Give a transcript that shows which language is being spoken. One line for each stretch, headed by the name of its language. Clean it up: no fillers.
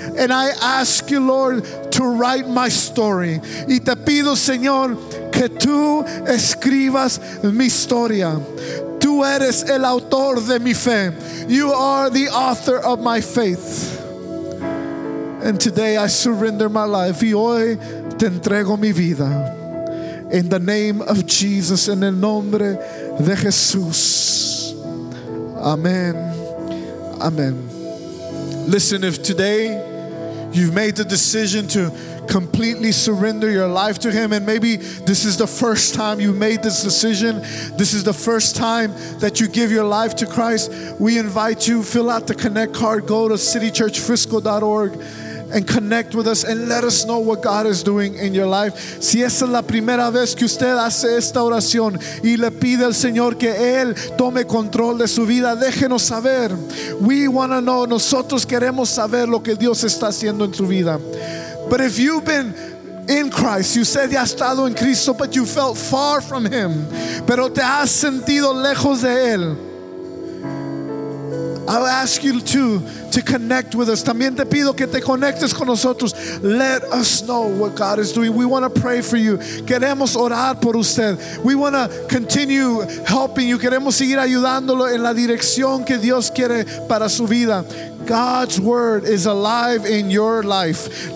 English: And I ask you, Lord, to write my story.
Spanish: Y te pido, Señor, que tú escribas mi historia. Tú eres el autor de mi fe.
English: You are the author of my faith. And today I surrender my life.
Spanish: Y hoy te entrego mi vida.
English: In the name of Jesus,
Spanish: en el nombre de Jesús.
English: Amen. Amen. Listen, if today you've made the decision to completely surrender your life to Him, and maybe this is the first time you made this decision, this is the first time that you give your life to Christ, we invite you, fill out the Connect card, go to citychurchfrisco.org and connect with us and let us know what God is doing in your life.
Spanish: Si esa es la primera vez que usted hace esta oración y le pide al Señor que Él tome control de su vida, déjenos saber.
English: We want to know.
Spanish: Nosotros queremos saber lo que Dios está haciendo en su vida.
English: But if you've been in Christ, you said
Spanish: ya estado en Cristo,
English: but you felt far from Him,
Spanish: pero te has sentido lejos de Él,
English: I'll ask you to connect with us.
Spanish: También te pido que te conectes con nosotros.
English: Let us know what God is doing. We want to pray for you.
Spanish: Queremos orar por usted.
English: We want to continue helping you.
Spanish: Queremos seguir ayudándolo en la dirección que Dios quiere para su vida.
English: God's word is alive in your life.